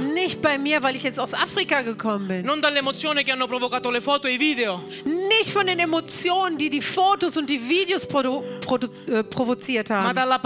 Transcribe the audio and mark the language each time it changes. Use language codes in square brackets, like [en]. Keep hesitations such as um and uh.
[de] Nicht bei mir, weil ich jetzt aus Afrika gekommen bin. [it] Non che hanno provocato le foto e i video. [de] Nicht von den Emotionen, die die Fotos und die Videos produ- produ- uh, provoziert haben.